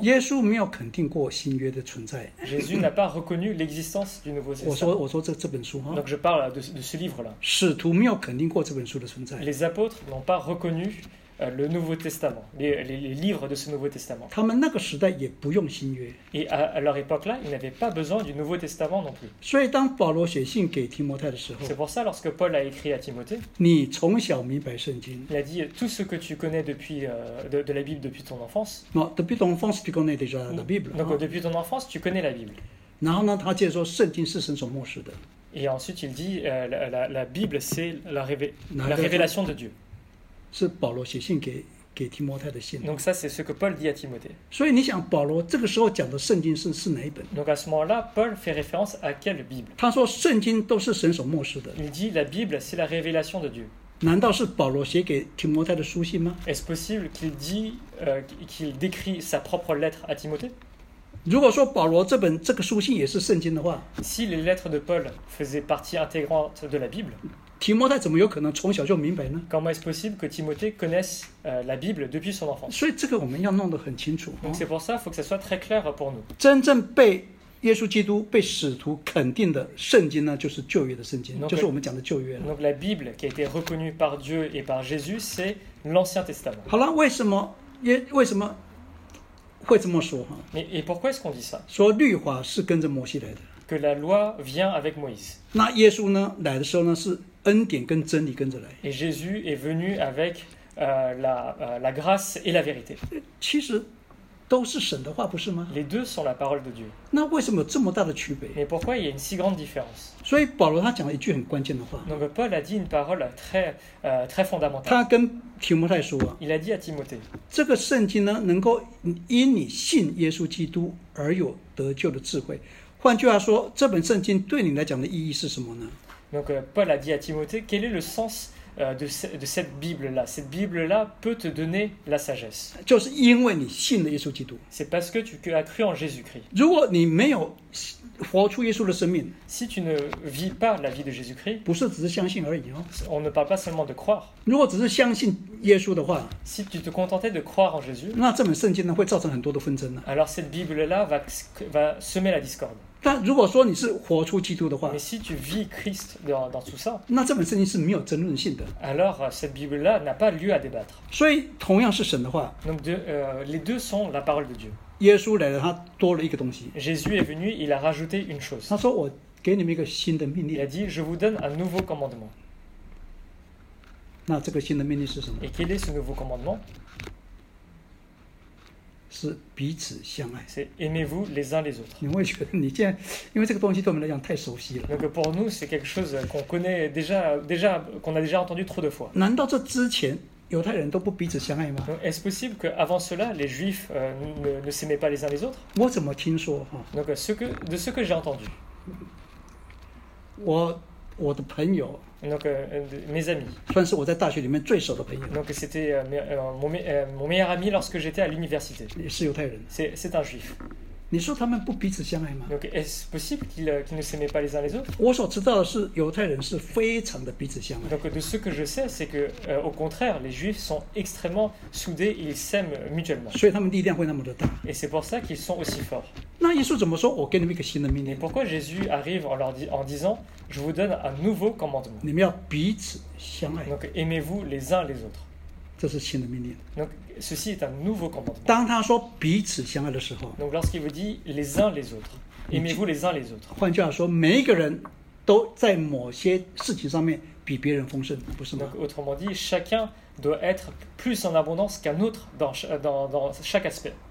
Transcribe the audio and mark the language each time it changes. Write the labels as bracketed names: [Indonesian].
[Chinese] 耶稣没有肯定过新约的存在。 [French] Jésus n'a pas reconnu l'existence du Nouveau Testament. [Chinese] 我说这本书哈。 [French] Donc je parle de ce livre-là. [Chinese] 使徒没有肯定过这本书的存在。 [French] Les apôtres n'ont pas reconnu le Nouveau Testament, les livres de ce Nouveau Testament. [Chinese] 他们那个时代也不用新约. [French] Et à leur époque-là, ils n'avaient pas besoin du Nouveau Testament non plus. [Chinese] 所以当保罗写信给提摩太的时候, [French] c'est pour ça, lorsque Paul a écrit à Timothée, [Chinese] 你从小明白圣经, [French] il a dit tout ce que tu connais depuis, de la Bible depuis ton enfance. Non, depuis ton enfance, tu connais déjà la Bible. Donc, depuis ton enfance, tu connais la Bible. [Chinese] 然后呢, 他接着说, 圣经是神所默示的. [French] Et ensuite, il dit la Bible, c'est la révélation de Dieu. [Chinese] 是保罗写信给提摩太的信. [French] Donc ça, c'est ce que Paul dit à Timothée. [Chinese] 所以你想保罗这个时候讲的圣经是哪一本? [French] Donc à ce moment-là, Paul fait référence à quelle Bible? [Chinese] 他说圣经都是神所默示的. [French] Il dit la Bible, c'est la révélation de Dieu. [Chinese] 难道是保罗写给提摩太的书信吗? [French] Est-ce possible qu'il dit qu'il décrit sa propre lettre à Timothée? [Chinese] 如果说保罗这个书信也是圣经的话, [French] si les lettres de Paul faisaient partie intégrante de la Bible, [Chinese] 提摩太怎么有可能从小就明白呢? [French] Comment est-ce possible que Timothée connaisse la Bible depuis son enfance? [Chinese] 所以这个我们要弄得很清楚, [French] donc c'est pour ça qu'il faut que ça soit très clair pour nous. [Chinese] 真正被耶稣基督被使徒肯定的圣经呢, 就是旧约的圣经, [French] donc, [Chinese] 就是我们讲的旧约了。 [French] Donc la Bible qui a été reconnue par Dieu et par Jésus, c'est l'Ancien Testament. [Chinese] 好了，为什么？为什么？会这么说, [French] et pourquoi est-ce qu'on dit ça? [Chinese] 说律法是跟着摩西来的, [French] que la loi vient avec Moïse. [Chinese] 那耶稣呢, 来的时候呢, 是恩典跟真理跟着来, [French] et Jésus est venu avec la grâce et la vérité. [Chinese] 其实都是神的话, 不是吗? [French] Les deux sont la parole de Dieu. [Chinese] 那为什么这么大的区别? [French] Et pourquoi il y a une si grande différence? [Chinese] 所以保罗他讲了一句很关键的话, [French] donc Paul a dit une parole très, très fondamentale. [Chinese] 他跟 提摩太说, [French] il a dit à Timothée, [Chinese] 这个圣经呢, 能够因你信耶稣基督而有得救的智慧, 换句话说, 这本圣经对你来讲的意义是什么呢? [French] Donc Paul a dit à Timothée, quel est le sens de cette Bible-là? Cette Bible-là peut te donner la sagesse. [Chinese] 就是因为你信了耶稣基督, [French] c'est parce que tu as cru en Jésus-Christ. [Chinese] 如果你没有 活出耶稣的生命, [French] si tu ne vis pas la vie de Jésus-Christ, [Chinese] 不是只是相信而已哦, [French] on ne parle pas seulement de croire. [Chinese] 如果只是相信耶稣的话, [French] si tu te contentais de croire en Jésus, [Chinese] 那这本圣经呢会造成很多的纷争啊, [French] alors cette Bible-là va semer la discorde. [Chinese] 但如果说你是活出基督的话, [French] mais si tu vis Christ dans tout ça, [Chinese] 那这本圣经是没有争论性的, [French] alors cette Bible-là n'a pas lieu à débattre. [Chinese] 所以同样是神的话, [French] donc les deux sont la parole de Dieu. [Chinese] 耶稣来了，他多了一个东西。 [French] Jésus est venu, il a rajouté une chose. [Chinese] 他说：“我给你们一个新的命令。” [French] Il a dit: « Je vous donne un nouveau commandement. » [Chinese] 那这个新的命令是什么？ [French] Et quel est ce nouveau commandement? [Chinese] 是彼此相爱。 [French] C'est aimez-vous les uns les autres. [Chinese] 你会觉得你这样，因为这个东西对我们来讲太熟悉了。 [French] Donc pour nous, c'est quelque chose qu'on connaît déjà, qu'on a déjà entendu trop de fois. [Chinese] 难道这之前？犹太人都不彼此相爱吗? [French] Est-ce possible qu'avant cela, les Juifs ne s'aimaient pas les uns les autres? [Chinese] 我怎么听说, [French] donc, de ce que j'ai entendu, [Chinese] 我的朋友, [French] donc, mes amis, [Chinese] 算是我在大学里面最熟的朋友, [French] donc, c'était mon meilleur ami lorsque j'étais à l'université, [Chinese] 也是犹太人, [French] c'est un Juif. [Chinese] 你说他们不彼此相爱吗? [French] Donc, est-ce possible qu'ils ne s'aimaient pas les uns les autres? [Chinese] 我所知道的是犹太人是非常的彼此相爱。 [French] Donc, de ce que je sais, c'est que au contraire, les Juifs sont extrêmement soudés, ils s'aiment mutuellement. [Chinese] 所以他们力量会那么的大。 [French] Et c'est pour ça qu'ils sont aussi forts. [Chinese] 那耶稣怎么说? 我给你们一个新的命令。 [French] Et pourquoi Jésus arrive en disant, je vous donne un nouveau commandement? [Chinese] 你们要彼此相爱。 [French] Donc, aimez-vous les uns les autres. [Chinese] 这是新的命令。 [French] Donc, ceci est un nouveau commandement. [Chinese] 当他说彼此相爱的时候, [French] donc lorsqu'il vous dit les uns les autres, aimez-vous les uns les autres. [Chinese] 换句话说, 每一个人都在某些事情上面比别人丰盛, 不是吗? [French] Donc autrement dit, chacun doit être plus en abondance qu'un autre dans chaque aspect.